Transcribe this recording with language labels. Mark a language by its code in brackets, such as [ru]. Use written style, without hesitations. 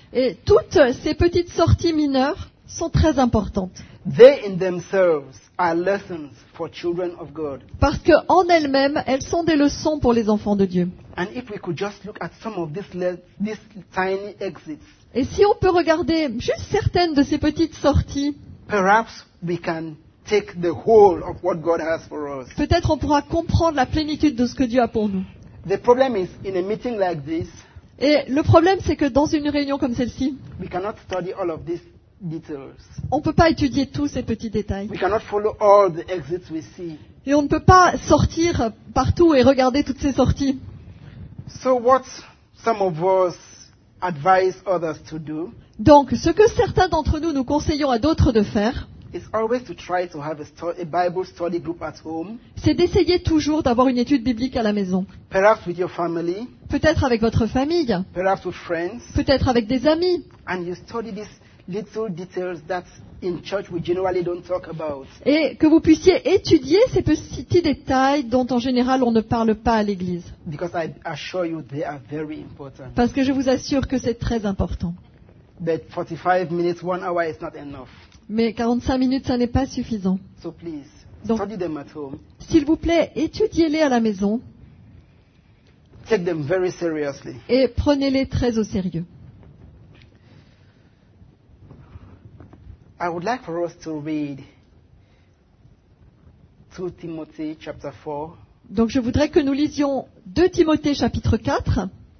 [fr] Et toutes ces petites sorties mineures sont très importantes. [en] They in themselves are lessons for children of God. [fr] Parce que en elles-mêmes, elles sont des leçons pour les enfants de Dieu. [en] And if we could just look at some of these tiny exits. [fr] Et si on peut regarder juste certaines de ces petites sorties. [en] Perhaps we can take the whole of what God has for us. [fr] Peut-être on pourra comprendre la plénitude de ce que Dieu a pour nous. [en] The problem is in a meeting like this. [fr] Et le problème c'est que dans une réunion comme celle-ci, [en] we cannot study all of this. Details. [fr] On ne peut pas étudier tous ces petits détails. [en] We cannot follow all the exits we see. [fr] Et on ne peut pas sortir partout et regarder toutes ces sorties. [en] So what some of us advise others to do, [fr] donc, ce que certains d'entre nous nous conseillons à d'autres de faire, c'est d'essayer toujours d'avoir une étude biblique à la maison. [en] Perhaps with your family, [fr] peut-être avec votre famille. [en] Perhaps with friends, [fr] peut-être avec des amis. [en] And you study this little details that in church we generally don't talk about. [fr] Et que vous puissiez étudier ces petits détails dont en général on ne parle pas à l'église. [en] Because I assure you they are very important. [fr] Parce que je vous assure que c'est très important. [en] But 45 minutes, 1 hour is not enough. [fr] Mais 45 minutes, ça n'est pas suffisant. [en] So please, donc, study them at home. [fr] S'il vous plaît, étudiez-les à la maison. [en] Take them very seriously. [fr] Et prenez-les très au sérieux. [en] I would like for us to read 2 Timothy chapter 4. [fr] Donc je voudrais que nous lisions 2 Timothée chapitre 4.